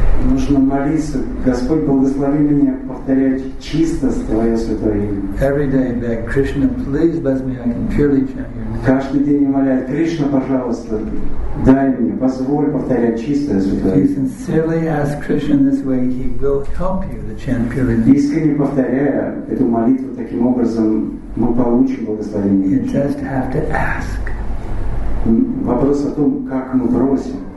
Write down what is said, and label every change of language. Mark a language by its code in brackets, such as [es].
[ru] Нужно молиться, Господь, благослови меня повторять чисто Твое Святое Имя. [en] Every day beg Krishna, please bless me, I can purely chant Your name. [ru] Каждый день молять, Кришна, пожалуйста, дай мне, позволь повторять чистое Святое Имя. [en] If you sincerely ask Krishna this way, He will help you to chant purely. [ru] Искренне повторяя эту молитву таким образом, мы получим благословение. [en] You just have to ask. [ru] Вопрос о том, как мы просим.